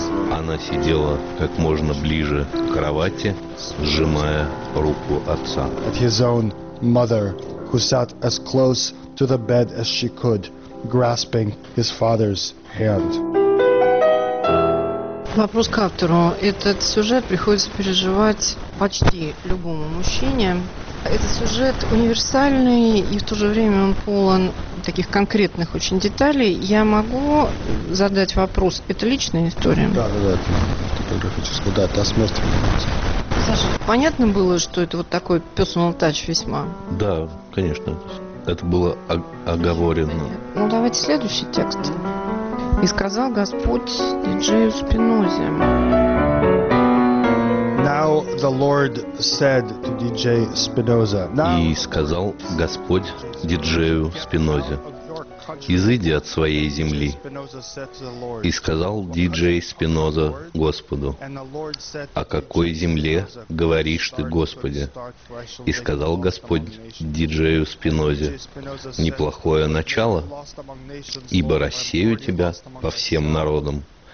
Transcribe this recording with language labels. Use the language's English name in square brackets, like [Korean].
[Russian] Она сидела как можно ближе к кровати, сжимая руку отца. [English] His own mother, who sat as close to the bed as she could, grasping his father's hand. [Russian] Вопрос к автору. Этот сюжет приходится переживать почти любому мужчине. Этот сюжет универсальный, и в то же время он полон таких конкретных очень деталей. Я могу задать вопрос. Это личная история? Да, это фотографическая. Да, это осмысленная. Саша, понятно было, что это вот такой [English] personal touch [Russian] весьма? Да, конечно. Это было оговорено. Ну, давайте следующий текст. И сказал Господь диджею Спинозе. [English] Now the Lord said to DJ Spinoza. [Russian] И сказал Господь диджею Спинозе: «Изыди от своей земли». И сказал диджей Спиноза Господу: «О какой земле говоришь ты, Господи?» И сказал Господь диджею Спинозе: «Неплохое начало, ибо рассею тебя по всем народам».